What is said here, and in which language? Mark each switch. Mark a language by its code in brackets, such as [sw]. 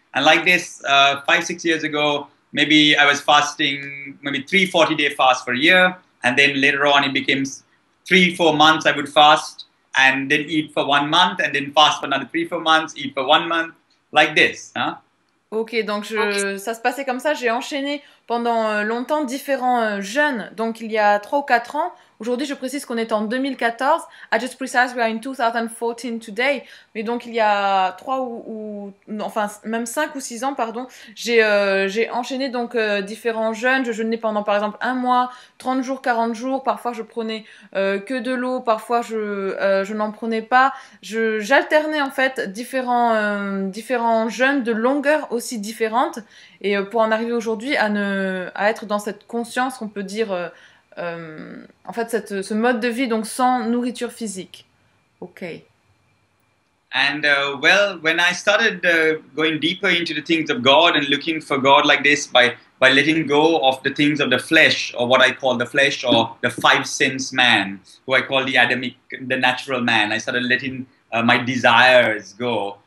[en] And like this, 5-6 years ago, maybe I was fasting, maybe 3-40-day fast for a year, and then later on it became 3-4 months I would fast, and then eat for 1 month, and then fast for another 3-4 months, eat for 1 month, like this. Huh? [fr] Ok, donc ça se passait comme ça, j'ai enchaîné pendant longtemps différents jeunes. Donc il y a 3 ou 4 ans, aujourd'hui je précise qu'on est en 2014. [en] I just precise we are in 2014 today. [fr] Mais donc il y a 3 ou enfin même 5 ou 6 ans, pardon, j'ai enchaîné donc différents jeunes. Je jeûnais pendant par exemple un mois, 30 jours, 40 jours. Parfois je prenais que de l'eau, parfois je n'en prenais pas. J'alternais en fait différents jeûnes de longueur aussi différentes. Et pour en arriver aujourd'hui à être dans cette conscience, on peut dire, en fait, ce mode de vie, donc sans nourriture physique. OK. [en] And well, when I started going deeper into the things of God and looking for God like this by letting go of the things of the flesh, or what I call the flesh or the five sense man, who I call the Adamic, the natural man, I started letting my desires go.